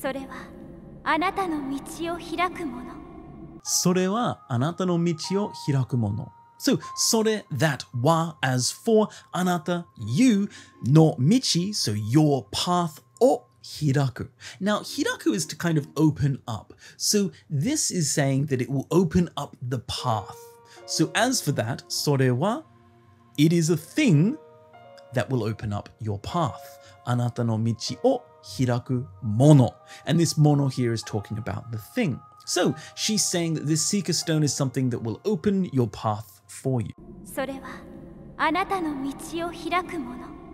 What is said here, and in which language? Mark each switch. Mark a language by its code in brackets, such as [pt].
[ja] それはあなたの道を開くもの。それはあなたの道を開くもの。 [en] So, sore, that, wa, as for, anata, you, no michi, so your path, o, hiraku. Now, hiraku is to kind of open up. So, this is saying that it will open up the path. So, as for that, sore wa, it is a thing that will open up your path. [ja] Anata no michi, o, hiraku, mono. [en] And this mono here is talking about the thing. So, she's saying that this seeker stone is something that will open your path for you. [ja] それはあなたの道を開くもの。